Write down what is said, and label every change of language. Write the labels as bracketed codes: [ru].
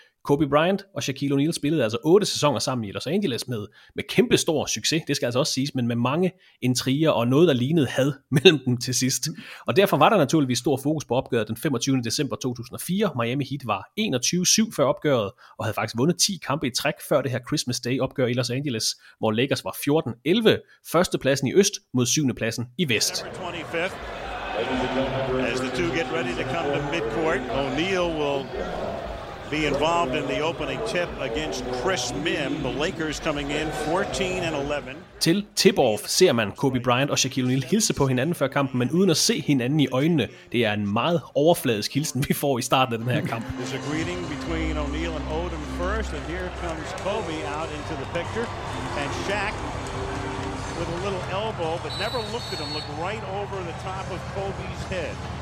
[da] Kobe Bryant og Shaquille O'Neal spillede altså 8 sæsoner sammen i Los Angeles med kæmpe stor succes, det skal altså også siges, men med mange intriger og noget, der lignede had mellem dem til sidst. Og derfor var der naturligvis stor fokus på opgøret den 25. december 2004. Miami Heat var 21-7 før opgøret og havde faktisk vundet 10 kampe i træk før det her Christmas Day opgør i Los Angeles, hvor Lakers var 14-11, førstepladsen i øst mod 7. pladsen i vest. [en] As the two get ready to come to midcourt, O'Neal will be involved in the opening tip against Chris Mim, the Lakers coming in 14-11. [da] Til tip-off ser man Kobe Bryant og Shaquille O'Neal hilse på hinanden før kampen, men uden at se hinanden i øjnene. Det er en meget overfladisk hilsen, vi får i starten af den her kamp. [en] There's a greeting between O'Neal and Odom first, and here comes Kobe out into the picture, and Shaq with a little elbow, but never looked at him, looked right over the top of Kobe's head.